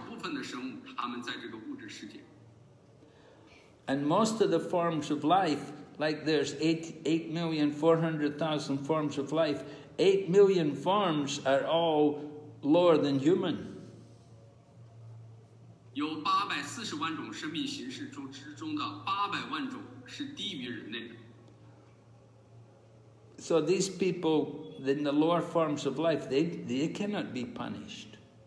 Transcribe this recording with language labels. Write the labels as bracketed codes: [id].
[zh] 事实上大部分的生物他们都在灵性世界只有一小部分的生物他们在这个物质世界 [en] And most of the forms of life, like there's 8,400,000 forms of life, 8 million forms are all lower than human. [zh] 有840万种生命形式中的800万种是低于人类的 [en] So these people, then the lower forms of life, they cannot be punished.